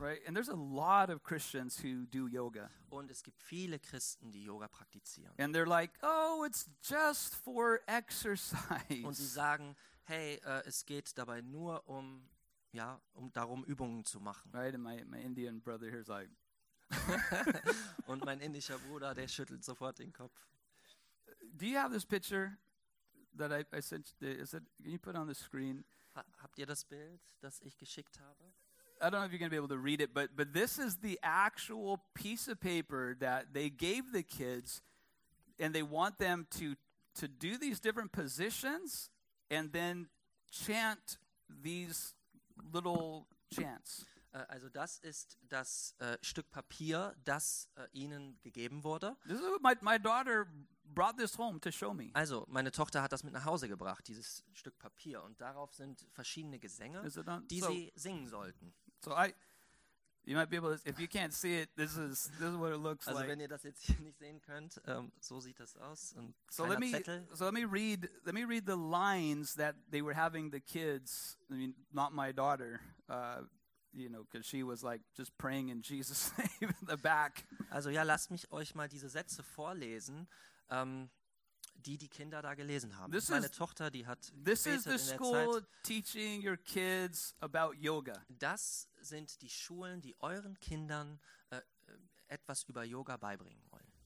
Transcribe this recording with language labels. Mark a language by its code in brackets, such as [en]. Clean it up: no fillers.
[en] Right, and there's a lot of Christians who do yoga. [de] Und es gibt viele Christen, die Yoga praktizieren. [en] And they're like, oh, it's just for exercise. [de] Und sie sagen, hey, es geht dabei nur um, ja, um darum, Übungen zu machen. [en] Right, and my Indian brother here is like. [de] Und mein indischer Bruder, der schüttelt sofort den Kopf. [en] Do you have this picture that I sent? Can you put on the screen? [de] Habt ihr das Bild, das ich geschickt habe? [en] I don't know if you're going to be able to read it, but this is the actual piece of paper that they gave the kids, and they want them to do these different positions. and then chant these little chants. [de] Also das ist das Stück Papier, das ihnen gegeben wurde. [en] This is what my daughter brought this home to show me. [de] Also meine Tochter hat das mit nach Hause gebracht, dieses Stück Papier, und darauf sind verschiedene Gesänge, die sie singen sollten. [en] So I, you might be able to, if you can't see it, this is what it looks [de] also [en] like. [de] Also wenn ihr das jetzt hier nicht sehen könnt, so sieht das aus. Und [en] so let me read the lines that they were having the kids. I mean, not my daughter. You know, because she was like just praying in Jesus' name in the back. [de] Also ja, lasst mich euch mal diese Sätze vorlesen, die Kinder da gelesen haben. [en] This [de] Meine [en] is, [de] Tochter, die hat [en] this [de] gebetet [en] is the [de] in der [en] school [de] Zeit. [en] Teaching your kids about yoga. [de] Das sind die Schulen, die euren Kindern etwas über Yoga beibringen wollen.